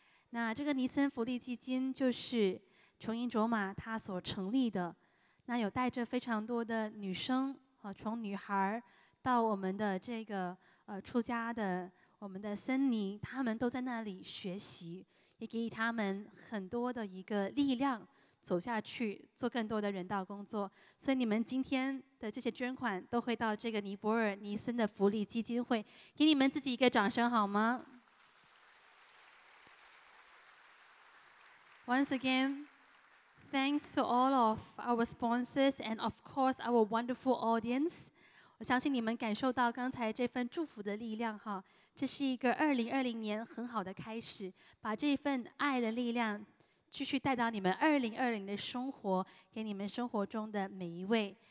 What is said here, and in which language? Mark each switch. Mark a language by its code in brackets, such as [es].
[zh] 那这个尼僧福利基金就是琼英卓玛他所成立的，那有带着非常多的女生，从女孩到我们的这个出家的我们的僧尼，他们都在那里学习，也给他们很多的一个力量走下去做更多的人道工作。所以你们今天的这些捐款都会到这个尼泊尔尼僧的福利基金会，给你们自己一个掌声好吗？ [en] Once again, thanks to all of our sponsors and of course our wonderful audience. [zh] 我相信你们感受到刚才这份祝福的力量哈，这是一个2020年很好的开始，把这份爱的力量继续带到你们2020的生活，给你们生活中的每一位。